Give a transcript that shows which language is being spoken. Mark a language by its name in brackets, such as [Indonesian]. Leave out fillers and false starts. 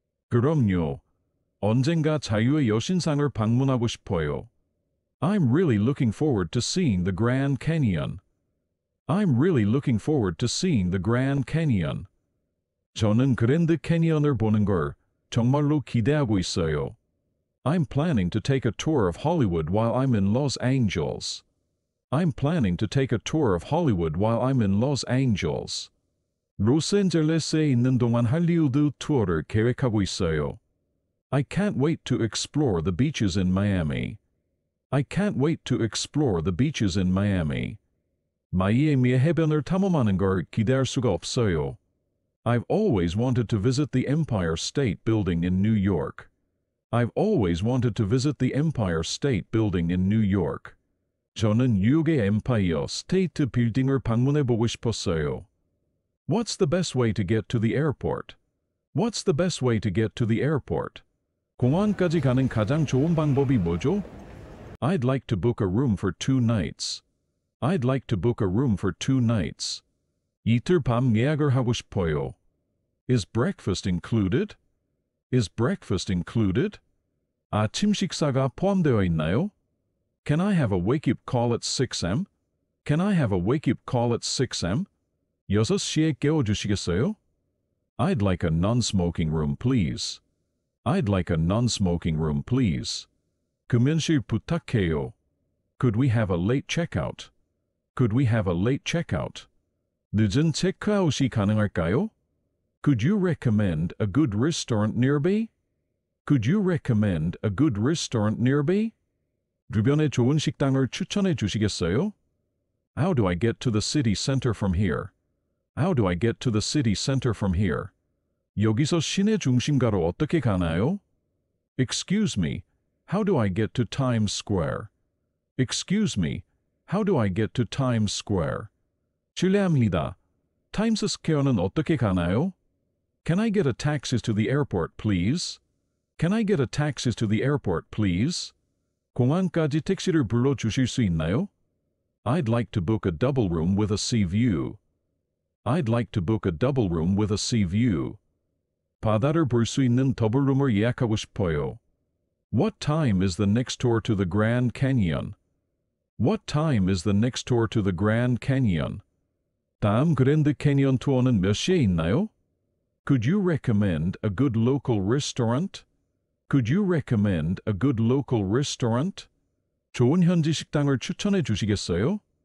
[Korean] 그럼요. 언젠가 자유의 여신상을 방문하고 싶어요. [English] I'm really looking forward to seeing the Grand Canyon. I'm really looking forward to seeing the Grand Canyon. [Korean] 저는 그랜드 캐니언을 보는 걸 정말로 기대하고 있어요. [English] I'm planning to take a tour of Hollywood while I'm in Los Angeles. I'm planning to take a tour of Hollywood while I'm in Los Angeles. [Korean] 로스앤젤레스에 있는 동안 할리우드 투어를 계획하고 있어요. [English] I can't wait to explore the beaches in Miami. I can't wait to explore the beaches in Miami. [Korean] 마이애미의 해변을 탐험하는 걸 기대할 수가 없어요. [English] I've always wanted to visit the Empire State Building in New York. I've always wanted to visit the Empire State Building in New York. [Korean] 저는 뉴욕의 Empire State Building을 방문해 보고 싶었어요. [English] What's the best way to get to the airport? What's the best way to get to the airport? [Korean] 공항까지 가는 가장 좋은 방법이 뭐죠? [English] I'd like to book a room for two nights. I'd like to book a room for two nights. [Korean] 이틀 밤 예약을 하고 싶어요. [English] Is breakfast included? Is breakfast included? [Korean] 아침 식사가 포함되어 있나요? [English] Can I have a wake-up call at 6 a.m.? Can I have a wake-up call at 6 a.m.? [Korean] 6 시에 깨워주시겠어요? [English] I'd like a non-smoking room, please. I'd like a non-smoking room, please. [Korean] 금연실 부탁해요. [English] Could we have a late checkout? Could we have a late checkout? [Korean] 늦은 체크아웃이 가능할까요? [English] Could you recommend a good restaurant nearby? Could you recommend a good restaurant nearby? [Korean] 주변에 좋은 식당을 추천해 주시겠어요? [English] How do I get to the city center from here? How do I get to the city center from here? [Korean] 여기서 시내 중심가로 어떻게 가나요? [English] Excuse me, how do I get to Times Square? Excuse me, how do I get to Times Square? [Korean] 실례합니다. Times Square는 어떻게 가나요? [English] Can I get a taxi to the airport, please? Can I get a taxi to the airport, please? [Korean] 공항까지 택시를 불러주실 수 있나요? [English] I'd like to book a double room with a sea view. I'd like to book a double room with a sea view. [Korean] 바다를 볼 수 있는 더블룸을 예약하고 싶어요. [English] What time is the next tour to the Grand Canyon? What time is the next tour to the Grand Canyon? [Korean] 다음 그랜드 캐니언 투어는 몇 시에 있나요? [English] Could you recommend a good local restaurant? Could you recommend a good local restaurant? [Korean] 좋은 현지 식당을 추천해 주시겠어요?